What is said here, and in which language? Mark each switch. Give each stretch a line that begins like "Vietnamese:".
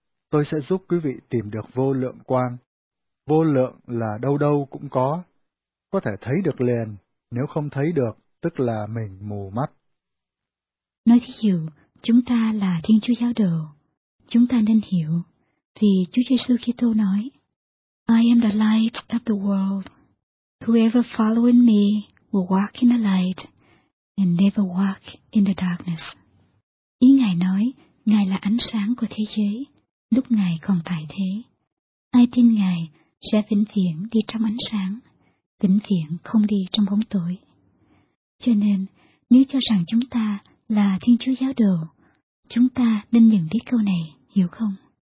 Vietnamese: Tôi sẽ giúp quý vị tìm được vô lượng quang. Vô lượng là đâu đâu cũng có thể thấy được liền, nếu không thấy được, tức là mình mù mắt. Nói thí dụ, chúng ta là Thiên Chúa giáo đồ, chúng ta nên hiểu, vì Chúa Giêsu Kitô nói,
English: I am the light of the world. Whoever following me will walk in the light. And never walk in the darkness.
Vietnamese: Ý Ngài nói, Ngài là ánh sáng của thế giới, lúc Ngài còn tại thế. Ai tin Ngài sẽ vĩnh viễn đi trong ánh sáng, vĩnh viễn không đi trong bóng tối. Cho nên, nếu cho rằng chúng ta là Thiên Chúa giáo đồ, chúng ta nên nhận biết câu này, hiểu không?